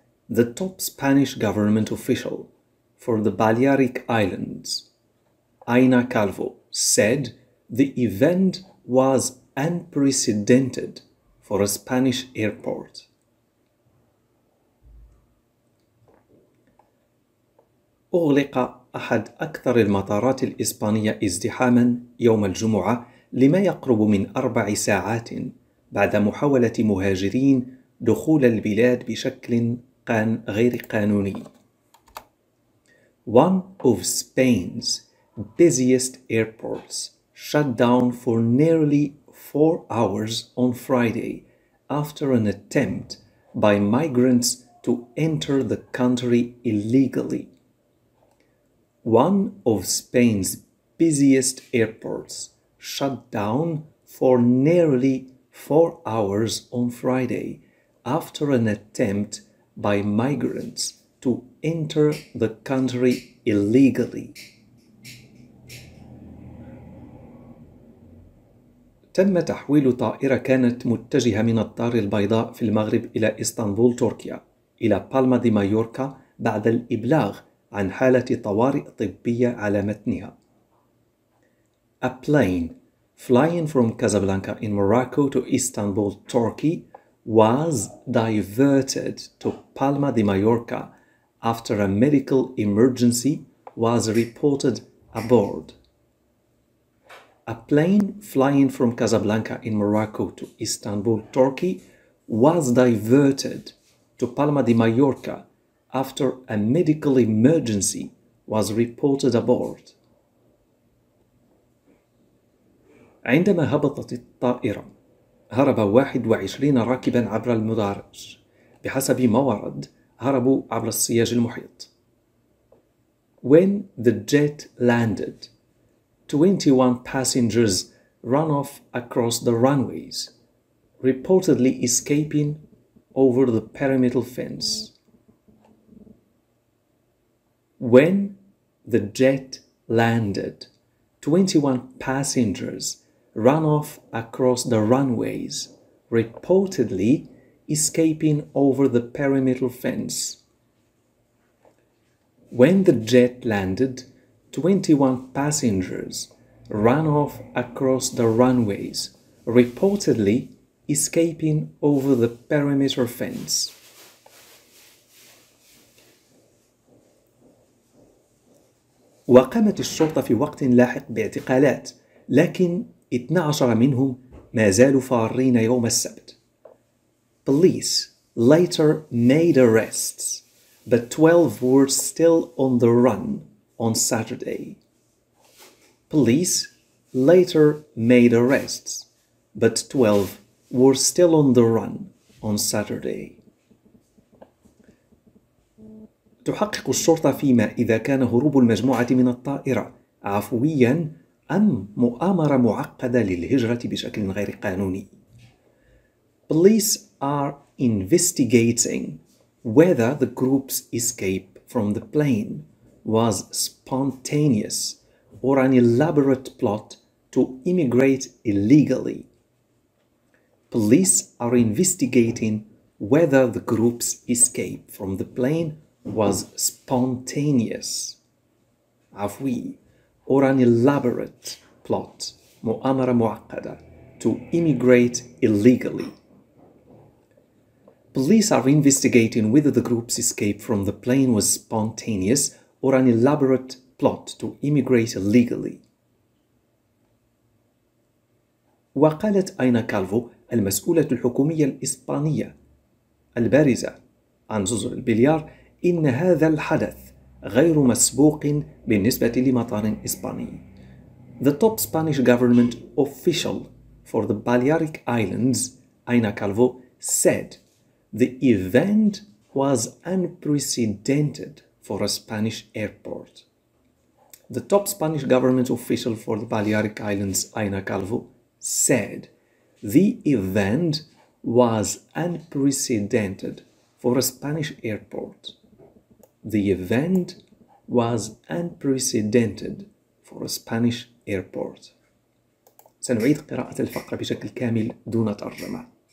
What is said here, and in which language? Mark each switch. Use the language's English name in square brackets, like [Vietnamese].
[English] The top Spanish government official for the Balearic Islands, Aina Calvo, said the event was unprecedented for a Spanish airport. [Arabic] أغلق أحد أكثر المطارات الإسبانية ازدحاما يوم الجمعة لما يقرب من 4 ساعات بعد محاولة مهاجرين دخول البلاد بشكل غير قانوني. [English] One of Spain's busiest airports shut down for nearly 4 hours on Friday after an attempt by migrants to enter the country illegally. One of Spain's busiest airports shut down for nearly 4 hours on Friday after an attempt by migrants to enter the country illegally. [Arabic] تم تحويل طائرة كانت متجهة من الدار البيضاء في المغرب إلى إسطنبول تركيا إلى بالما دي مايوركا بعد الإبلاغ عن حالة طوارئ طبية على متنها. [English] A plane flying from Casablanca in Morocco to Istanbul, Turkey was diverted to Palma de Mallorca after a medical emergency was reported aboard. A plane flying from Casablanca in Morocco to Istanbul, Turkey was diverted to Palma de Mallorca after a medical emergency was reported aboard. [Arabic] عندما هبطت الطائرة هرب 21 راكبا عبر المدرج. بحسب ما ورد هربوا عبر السياج المحيط. [English] When the jet landed, 21 passengers ran off across the runways, reportedly escaping over the perimeter fence. When the jet landed, 21 passengers ran off across the runways, reportedly escaping over the perimeter fence. When the jet landed, 21 passengers ran off across the runways, reportedly escaping over the perimeter fence. [Arabic] وقامت الشرطة في وقت لاحق باعتقالات، لكن 12 منهم ما زالوا فارين يوم السبت. [English] Police later made arrests, but 12 were still on the run on Saturday. Police later made arrests, but 12 were still on the run on Saturday. [Arabic] تحقق الشرطة فيما إذا كان هروب المجموعة من الطائرة عفوياً أم مؤامرة معقدة للهجرة بشكل غير قانوني. [English] Police are investigating whether the group's escape from the plane was spontaneous or an elaborate plot to immigrate illegally. Police are investigating whether the group's escape from the plane was spontaneous, [Arabic] عفوي, [English] or an elaborate plot, [Arabic] مؤامرة معقدة, [English] to immigrate illegally. Police are investigating whether the group's escape from the plane was spontaneous or an elaborate plot to immigrate illegally. [Arabic] وقالت أينا كالفو المسؤولة الحكومية الإسبانية البارزة عن جزر البليار إن هذا الحدث غير مسبوق بالنسبة لمطار إسباني. [English] The top Spanish government official for the Balearic Islands, Aina Calvo, said the event was unprecedented for a Spanish airport. The top Spanish government official for the Balearic Islands, Aina Calvo, said the event was unprecedented for a Spanish airport. The event was unprecedented for a Spanish airport. [Arabic] سنعيد قراءة الفقرة بشكل كامل دون ترجمة.